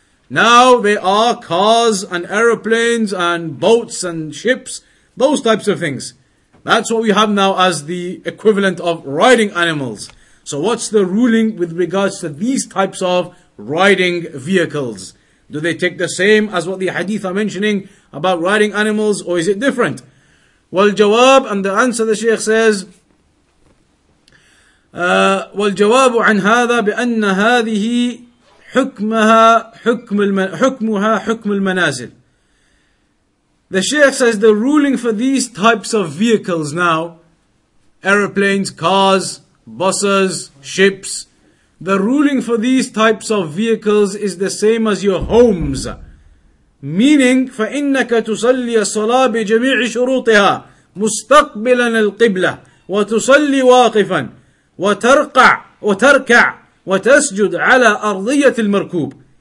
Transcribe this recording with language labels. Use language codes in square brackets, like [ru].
[en] Now they are cars and aeroplanes and boats and ships, those types of things. That's what we have now as the equivalent of riding animals. So what's the ruling with regards to these types of riding vehicles? Do they take the same as what the hadith are mentioning about riding animals, or is it different? [ar] والجواب, [en] and the answer the Shaykh says, [ar] والجواب عن هذا بأن هذه حكمها حكم المن حكمها حكم المنازل. [en] The Shaykh says the ruling for these types of vehicles now, aeroplanes, cars, buses, ships, the ruling for these types of vehicles is the same as your homes. [ar] Meaning, فَإِنَّكَ تُصَلِّي الصَّلَىٰ بِجَمِيعِ شُرُوطِهَا مُسْتَقْبِلًا الْقِبْلَةِ وَتُصَلِّي وَاقِفًا وَتَرْكَعْ وَتَسْجُدْ عَلَىٰ أَرْضِيَةِ الْمَرْكُوبِ.